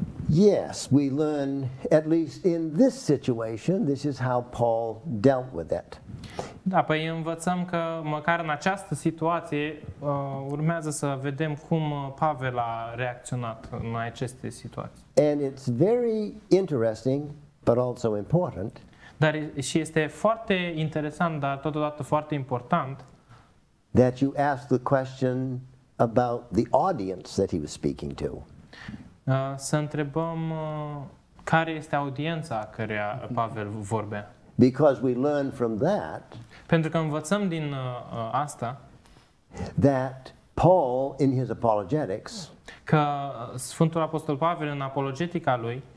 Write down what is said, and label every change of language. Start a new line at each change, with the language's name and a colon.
English: Yes, we learn, at least in this situation, this is how Paul dealt with it.
Romanian: Da, păi învățăm că măcar în această situație urmează să vedem cum Pavel a reacționat în aceste situații.
English: And it's very interesting, but also important.
Romanian: Dar și este foarte interesant, dar totodată foarte important.
English: That you ask the question about the audience that he was speaking to.
Romanian: Să întrebăm care este audiența a căreia Pavel vorbea.
English: Because we learn from that,
Romanian: pentru că învățăm din asta,
English: that Paul in his apologetics,
Romanian: că Sfântul Apostol Pavel în apologetica lui,